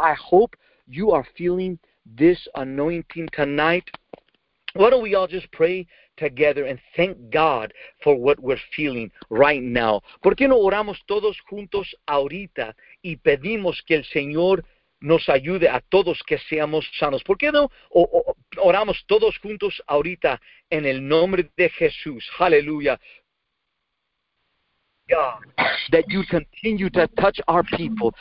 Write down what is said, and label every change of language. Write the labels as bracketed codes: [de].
[en] I hope you are feeling this anointing tonight. Why don't we all just pray together and thank God for what we're feeling right now? [es] ¿Por qué no oramos todos juntos ahorita y pedimos que el Señor nos ayude a todos que seamos sanos? ¿Por qué no oramos todos juntos ahorita en el nombre de Jesús? Aleluya. [en] God, that you continue to touch our people.